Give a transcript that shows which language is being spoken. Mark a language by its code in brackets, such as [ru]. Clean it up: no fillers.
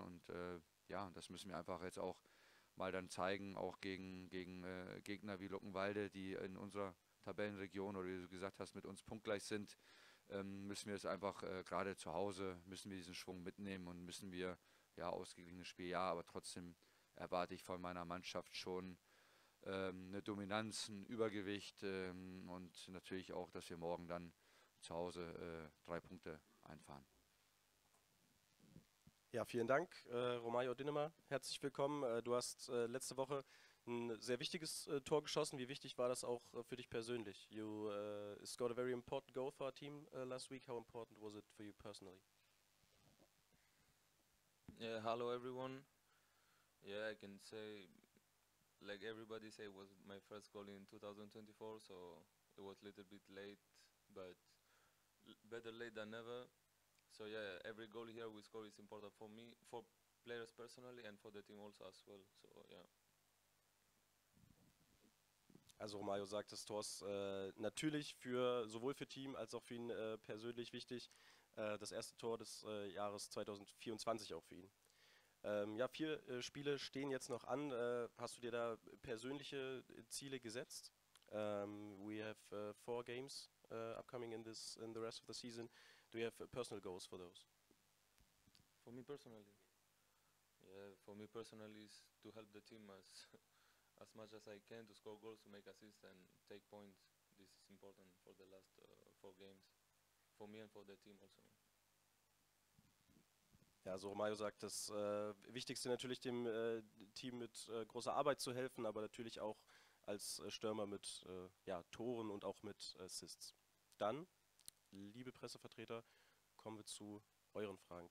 [de] Und ja, das müssen wir einfach jetzt auch mal dann zeigen, auch gegen Gegner wie Luckenwalde, die in unserer Tabellenregion oder wie du gesagt hast, mit uns punktgleich sind, müssen wir es einfach gerade zu Hause, müssen wir diesen Schwung mitnehmen und müssen wir, ja, ausgeglichenes Spiel, ja, aber trotzdem erwarte ich von meiner Mannschaft schon eine Dominanz, ein Übergewicht und natürlich auch, dass wir morgen dann zu Hause 3 Punkte einfahren. Ja, vielen Dank, Romario Dinnemar. Herzlich willkommen. Du hast letzte Woche ein sehr wichtiges Tor geschossen. Wie wichtig war das auch für dich persönlich? [en] You scored a very important goal for our team last week. How important was it for you personally? Hello everyone. Yeah, I can say, like everybody say, it was my first goal in 2024, so it was a little bit late, but better late than never. So yeah, every goal here we score is important for me, for players personally, and for the team also as well. So yeah. [de] Also Romario sagt, das Tor ist natürlich für sowohl für Team als auch für ihn persönlich wichtig. Das erste Tor des Jahres 2024 auch für ihn. Ja, vier Spiele stehen jetzt noch an. Hast du dir da persönliche Ziele gesetzt? [en] We have four games upcoming in this in the rest of the season. Do you have personal goals for those? For me personally, yeah. For me personally, is to help the team as much as I can to score goals, to make assists, and take points. This is important for the last four games. for me and for the team also. [de] Ja, so Romario sagt, das Wichtigste natürlich dem Team mit großer Arbeit zu helfen, aber natürlich auch als Stürmer mit ja, Toren und auch mit Assists. Dann, liebe Pressevertreter, kommen wir zu euren Fragen.